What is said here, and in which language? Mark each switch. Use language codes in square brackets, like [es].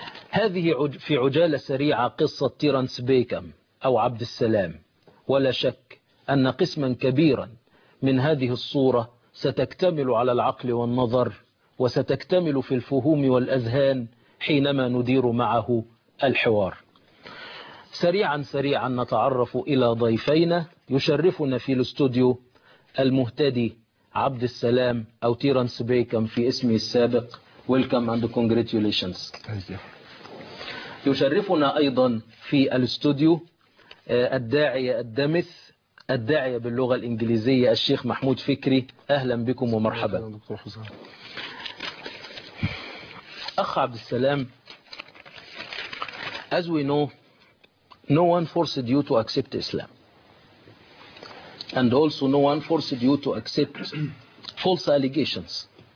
[ar] هذه في عجالة سريعة قصة تيرنس بيكم أو عبد السلام، ولا شك أن قسما كبيرا من هذه الصورة ستكتمل على العقل والنظر، وستكتمل في الفهوم والأذهان حينما ندير معه الحوار. سريعا سريعا نتعرف إلى ضيفينا. يشرفنا في الاستوديو المهتدي عبد السلام أو تيرنس بيكم في اسمه السابق. [en] Welcome and congratulations. [ar] يشرفنا أيضا في الاستوديو الداعية الدمث الداعية باللغة الإنجليزية الشيخ محمود فكري، أهلا بكم ومرحبا. [en] أخ عبد السلام، as we know no one forced you to accept Islam and also no one forced you to accept false allegations.